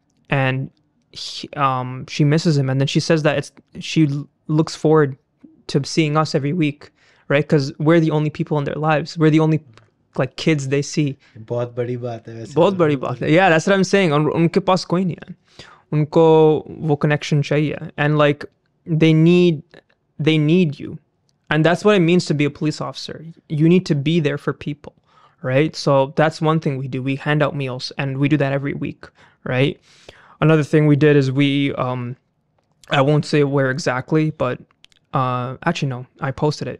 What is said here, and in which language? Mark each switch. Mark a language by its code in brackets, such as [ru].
[en] And she misses him. And then she says that she looks forward to seeing us every week, right? Because we're the only people in their lives. We're the only like kids they see. [hi] बहुत बड़ी बात है वैसे बहुत बड़ी बात है. [en] Yeah, that's what I'm saying. [hi] उनके पास कोई नहीं है. उनको वो connection चाहिए. [en] And like they need you. And that's what it means to be a police officer. You need to be there for people, right? So that's one thing we do. We hand out meals and we do that every week, right? Another thing we did is we I won't say where exactly, but actually no, I posted it.